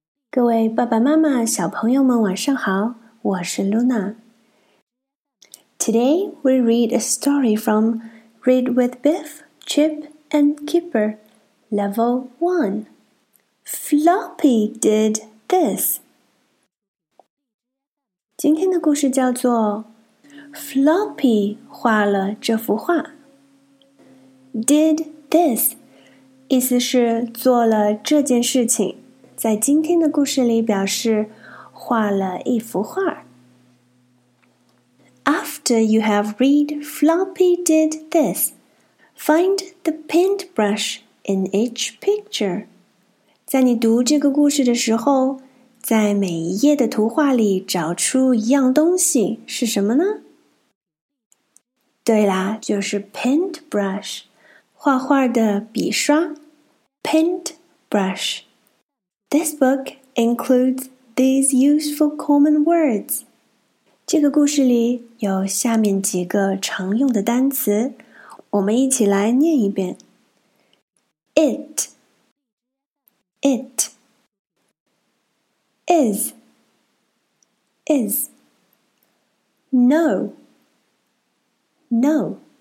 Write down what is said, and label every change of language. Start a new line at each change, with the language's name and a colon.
Chinese: 各位爸爸妈妈、小朋友们晚上好，我是 Luna.
English: Today, we read a story from Read with Biff, Chip, and Kipper, Level 1. Floppy did this.
Chinese: 今天的故事叫做 Floppy 画了这幅画。
English: Did this.
Chinese: 意思是做了这件事情，在今天的故事里表示画了一幅画。
English: After you have read Floppy did this, find the paintbrush in each picture.
Chinese: 在你读这个故事的时候，在每一页的图画里找出一样东西是什么呢？对啦，就是 paintbrush, 画画的笔刷。
English: Paintbrush. This book includes these useful common words.
Chinese: 这个故事里有下面几个常用的单词，我们一起来念一遍。
English: It. It. Is. Is. No. No.